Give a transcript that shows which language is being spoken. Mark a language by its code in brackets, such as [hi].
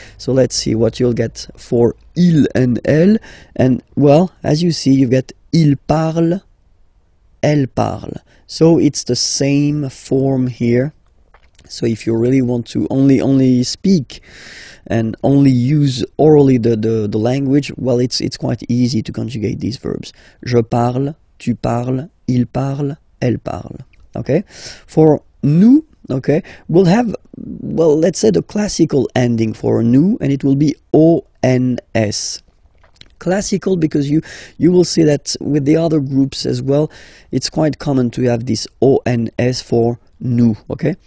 [en] So let's see what you'll get for il and elle. And, well, as you see, you've got [fr] il parle, elle parle. [en] So it's the same form here. So if you really want to only speak and only use orally the language, well, it's quite easy to conjugate these verbs. [fr] Je parle, tu parles, il parle, elle parle. [en] Okay? For nous, okay, we'll have, well, let's say the classical ending for nous, and it will be O-N-S. Classical because you will see that with the other groups as well, it's quite common to have this O-N-S for nous, okay?